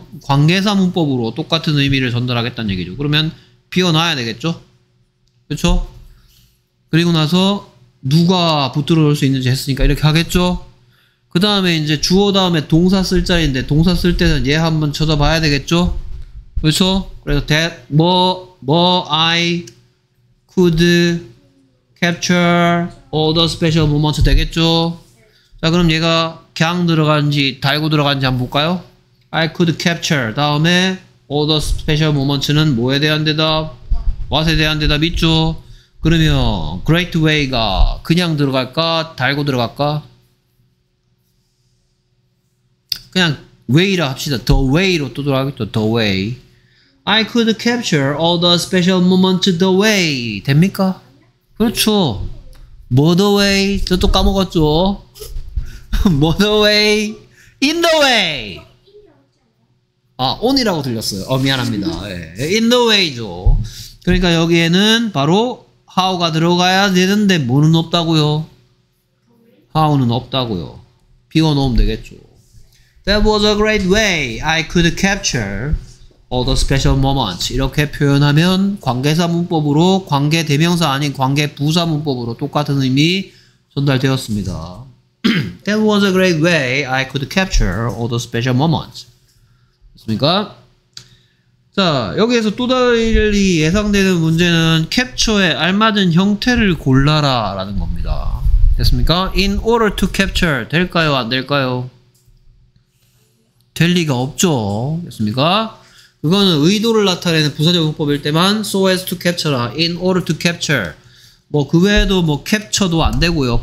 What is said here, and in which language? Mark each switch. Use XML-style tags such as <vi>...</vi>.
<ko>관계사 문법으로 똑같은 의미를 전달하겠다는 얘기죠. 그러면 비워놔야 되겠죠? 그렇죠? 그리고 나서 누가 붙들어 올 수 있는지 했으니까 이렇게 하겠죠? 그 다음에 이제 주어 다음에 동사 쓸 자리인데 동사 쓸 때는 얘 한번 쳐다봐야 되겠죠? 그렇죠? 그래서 that, 뭐,</ko> <en>I could capture all the special moments</en> <ko>되겠죠? 자 그럼 얘가 can 들어간지 달고 들어간지 한번 볼까요?</ko> <en>I could capture</en> <ko>다음에</ko> <en>all the special moments</en> <ko>는 뭐에 대한 대답? what에 대한 대답 있죠? 그러면 great way가 그냥 들어갈까? 달고 들어갈까? 그냥 way라 합시다. the way로 또 돌아가겠죠.</ko> <en>the way I could capture all the special moments the way</en> <ko>됩니까? 그렇죠. 뭐 the way? 저 또 까먹었죠. 뭐 the way?</ko> <en>in the way.</en> <ko>아 on이라고 들렸어요. 어 미안합니다. 네. in the way죠. 그러니까 여기에는 바로 how가 들어가야 되는데 뭐는 없다고요? how는 없다고요. 비워놓으면 되겠죠.</ko> <en>That was a great way I could capture all the special moments.</en> <ko>이렇게 표현하면 관계사 문법으로 관계 대명사 아닌 관계 부사 문법으로 똑같은 의미 전달되었습니다.</ko> <en>That was a great way I could capture all the special moments.</en> <ko>됐습니까? 자, 여기에서 또다시 예상되는 문제는 캡처에 알맞은 형태를 골라라 라는 겁니다. 됐습니까?</ko> <en>In order to capture</en> <ko>될까요? 안 될까요? 될 리가 없죠. 됐습니까? 그거는 의도를 나타내는 부사적 문법일 때만</ko> <en>so as to capture</en> <ko>나</ko> <en>in order to capture</en> <ko>뭐 그 외에도 뭐 capture도 안 되고요.</ko>